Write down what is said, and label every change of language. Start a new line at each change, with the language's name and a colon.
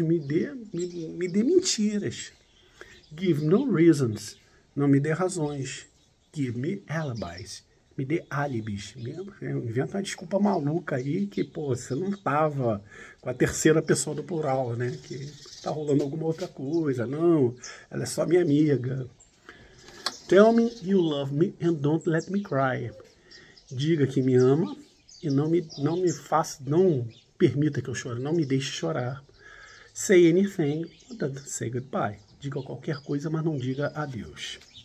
Portuguese: Me dê mentiras.
English: Give no reasons.
Portuguese: Não me dê razões.
English: Give me alibis.
Portuguese: Me dê álibis. Inventa uma desculpa maluca aí que, pô, você não tava com a terceira pessoa do plural, né? Que tá rolando alguma outra coisa. Não, ela é só minha amiga.
English: Tell me you love me and don't let me cry.
Portuguese: Diga que me ama e não me faça, não permita que eu chore, não me deixe chorar.
English: Say anything, but don't say goodbye.
Portuguese: Diga qualquer coisa, mas não diga adeus.